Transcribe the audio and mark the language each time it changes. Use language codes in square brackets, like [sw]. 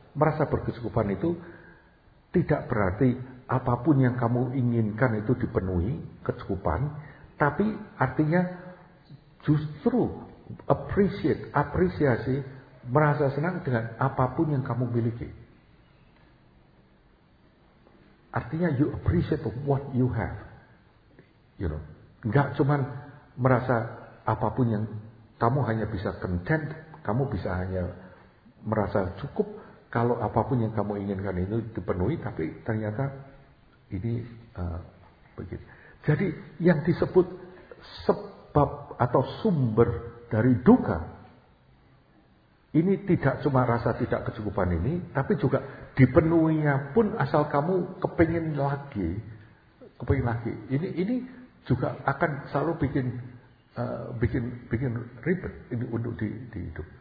[id] Merasa berkecukupan itu tidak berarti apapun yang kamu inginkan itu dipenuhi, kecukupan, tapi artinya justru apresiasi, merasa senang dengan apapun yang kamu miliki. [en] Artinya you appreciate what you have. [id] You know, enggak cuman merasa apapun yang kamu hanya bisa content, kamu bisa hanya merasa cukup, kalau apapun yang kamu inginkan itu dipenuhi, tapi ternyata ini begini. Jadi yang disebut sebab atau sumber dari duka ini tidak cuma rasa tidak kecukupan ini, tapi juga dipenuhinya pun asal kamu kepengen lagi, ini juga akan selalu bikin ribet ini untuk di hidup.